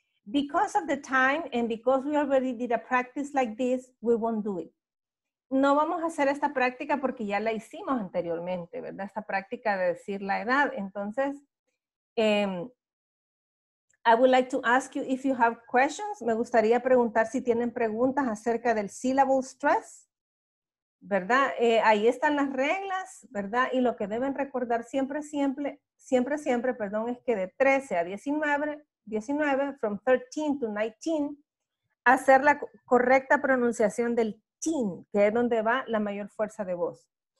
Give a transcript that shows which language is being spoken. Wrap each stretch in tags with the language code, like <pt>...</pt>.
<en>Because of the time and because we already did a practice like this, we won't do it.</en> <es>No vamos a hacer esta práctica porque ya la hicimos anteriormente, ¿verdad? Esta práctica de decir la edad.</es> <en>Entonces, I would like to ask you if you have questions.</en> <es>Me gustaría preguntar si tienen preguntas acerca del syllable stress, ¿verdad? Ahí están las reglas, ¿verdad? Y lo que deben recordar siempre, es que de 13 a 19,</es> <en>from 13 to 19,</en> <es>hacer la correcta pronunciación del teen, que es donde va la mayor fuerza de voz.</es>